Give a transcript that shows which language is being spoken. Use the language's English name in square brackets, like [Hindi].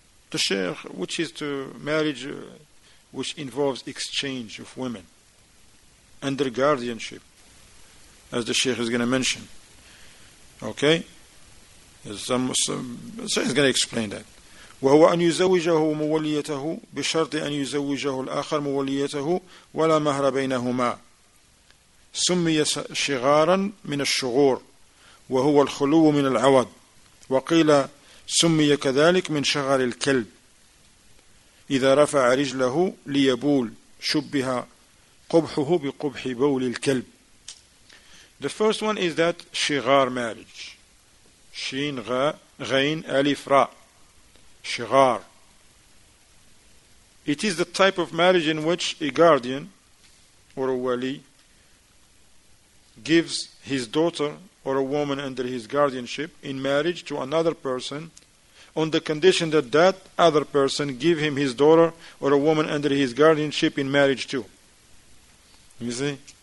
[English] The sheikh, which is to marriage which involves exchange of women under guardianship, as the sheikh is going to mention. Okay? So he's going to explain that. [Arabic] وهو أن يزوجه موليته بشرط أن يزوجه الآخر موليته ولا مهر بينهما. سمي شغارا من الشغور وهو الخلو من العوض وقيل سمي كذلك من شغر الكلب إذا رفع رجله ليبول شبه قبحه بقبح بول الكلب. [English] The first one is that شغار marriage. [Arabic] شين غا غين ألف راء. شغار. [English] It is the type of marriage in which a guardian or a wali gives his daughter or a woman under his guardianship in marriage to another person on the condition that that other person give him his daughter or a woman under his guardianship in marriage too. You see?